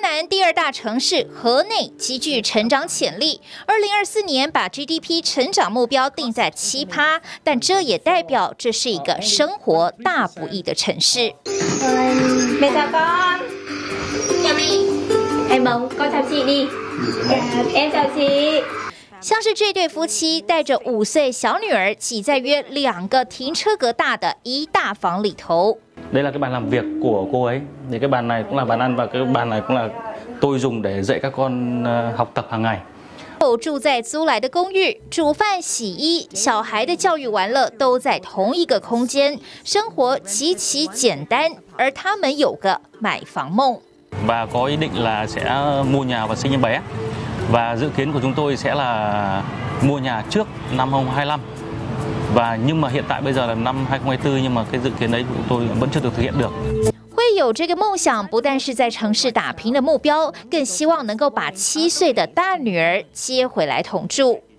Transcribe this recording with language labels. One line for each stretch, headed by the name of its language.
Chinese: 第二大城市河内极具成长潜力，2024年把 GDP 成长目标定在7%，但这也代表这是一个生活大不易的城市。像是这对夫妻带着5岁小女儿挤在约2个停车格大的一大房里头。
Vietnamese: đây là cái bàn làm việc của cô ấy, thì cái bàn này cũng là bàn ăn và cái bàn này cũng là tôi dùng để dạy các con học tập hàng ngày。
Chinese: 住在租来的公寓，煮饭、洗衣、小孩的教育、玩乐都在同一个空间，生活极其简单。而他们有个买房梦。
Vietnamese: và có ý định là sẽ mua nhà và sinh em bé。 và dự kiến của chúng tôi sẽ là mua nhà trước năm 2025。 và nhưng mà hiện tại bây giờ là năm 2024 nhưng mà cái dự kiến đấy tôi vẫn chưa được thực hiện được。
Chinese: 会有这个梦想，不但是在城市打拼的目标，更希望能够把7岁的大女儿接回来同住。